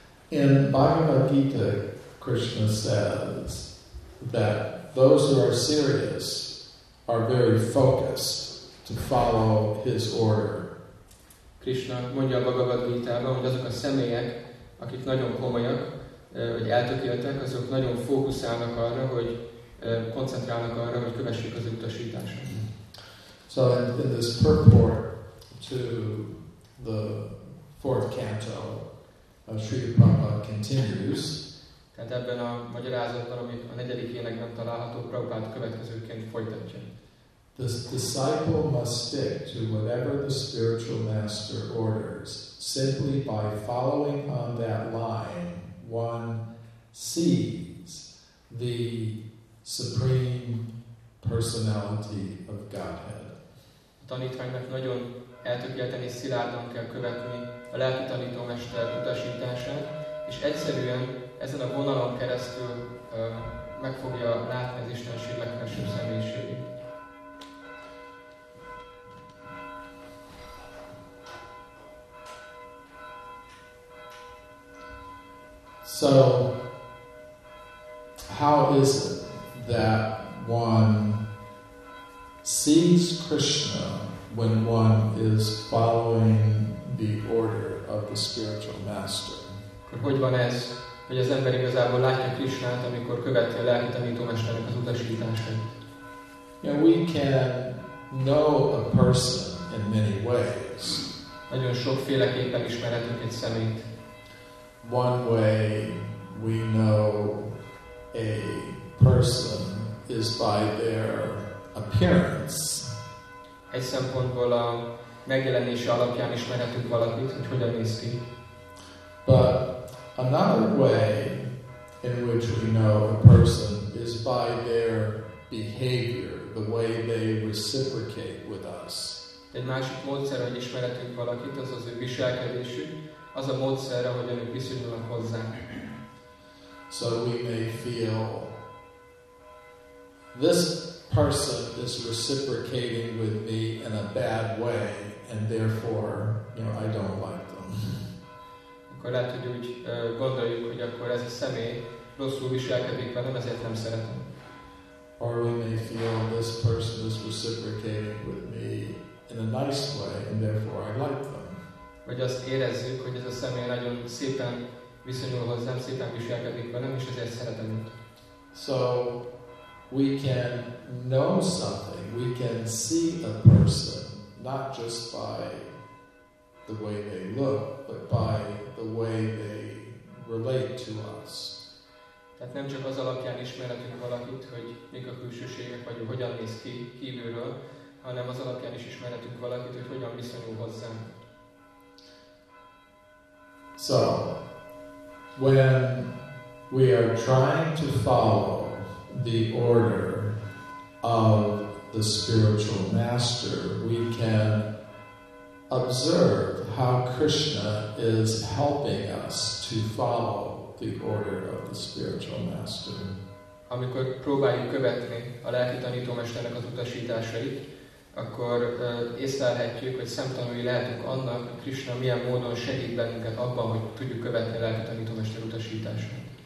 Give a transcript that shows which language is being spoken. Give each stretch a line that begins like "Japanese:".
English: In Bhagavad Gita, Krishna says that those who are serious are very focused to follow his order.
Hungarian: Krishna mondja a Bhagavad Gita-ban, hogy azok a személyek, akik nagyon komolyak, vagy eltökéltek, azok nagyon fókuszálnak arra, hogy koncentrálnak arra, hogy kövessék az utasítását.
English: So in this purport to the fourth canto, Sri Prabhupada continues.
Hungarian: Tehát ebben a magyarázatban, amit a negyedik énekben található, Prabhupada következőként folytatja.
English: The disciple must stick to whatever the spiritual master orders. Simply by following on that line, one sees the Supreme Personality of Godhead.
Hungarian: A tanítványnak nagyon eltökélten és szilárdan kell követni a lelki tanítómester utasítását, és egyszerűen ezen a vonalon keresztül meg fogja látni az Istenség legfelsőbb személyiségét.
English: So, how is it that one sees Krishna when one is following the order of the spiritual master?
Hungarian: Hogy van ez, hogy az ember igazából látja Krishnát, amikor követi a lelki tanítómesternek az utasítását?
English: Yeah, we can know a person in many ways.
Hungarian: Nagyon sokféleképpen ismerhetünk egy személyt.
English: One way we know a person is by their appearance.
Hungarian: Egy szempontból a megjelenése alapján ismerhetünk valakit, hogy hogyan néz ki.
English: But another way in which we know a person is by their behavior, the way they reciprocate with us.
Hungarian: Egy másik módszer, hogy ismerhetünk valakit, az az ő viselkedésük, az a módszer, ahogyan ők viszonyulnak hozzánk.
English: So we may feel this person is reciprocating with me in a bad way, and therefore, you know, I don't like them.
Hungarian: Akkor lehet, hogy úgy gondoljuk, hogy akkor ez a személy rosszul viselkedik velem, ezért nem szeretem.
English: Or we may feel this person is reciprocating with me in a nice way, and therefore I like them.
Hungarian: Vagy azt érezzük, hogy ez a személy nagyon szépen viszonyul hozzám, szépen viselkedik velem, és ezért szeretem őt.
English: So we can know something, we can see a person, not just by the way they look, but by the way they relate to us.
Hungarian: Tehát nem csak az alapján ismerhetünk valakit, hogy mik a külsőségek, vagy hogyan néz ki kívülről, hanem az alapján is ismerhetünk valakit, hogy hogyan viszonyul hozzám.
English: So, when we are trying to follow the order of the spiritual master, we can observe how Krishna is helping us to follow the order of the spiritual master.
Hungarian: Amikor próbáljuk követni a lelki tanítómesternek az utasításait, akkor észlelhetjük, hogy szemtanúi lehetünk annak, hogy Krishna milyen módon segít bennünket abban, hogy tudjuk követni a lelki tanítómester utasítását.